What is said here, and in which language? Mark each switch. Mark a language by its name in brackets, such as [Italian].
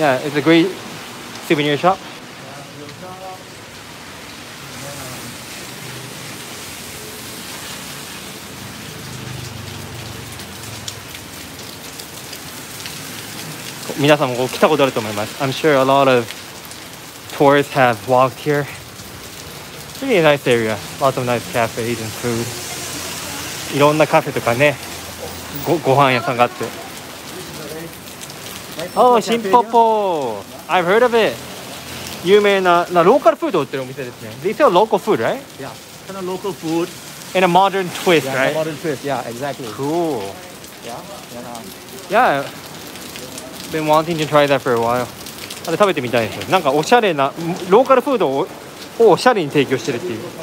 [English] Yeah, it's a great souvenir shop. Yeah, yeah. [Japanese] 皆さんも来たことあると思います。 [English] I'm sure a lot of tourists have walked here. Really a nice area. Lots of nice cafes and food. [Japanese] いろんなカフェとかね、ご飯屋さんがあって。 [English] おー、シンポポー。I've heard of it. [Japanese] 有名な、ローカルフード売ってるお店ですね。 [English] They sell local food, right? Yeah, kind of local food. In a modern twist, right? Yeah, a modern twist, yeah, exactly. Cool. Yeah, I've been wanting to try that for a while. [Japanese] あれ食べてみたいですよ。なんかおしゃれな、ローカルフードをおしゃれに提供してるっていう。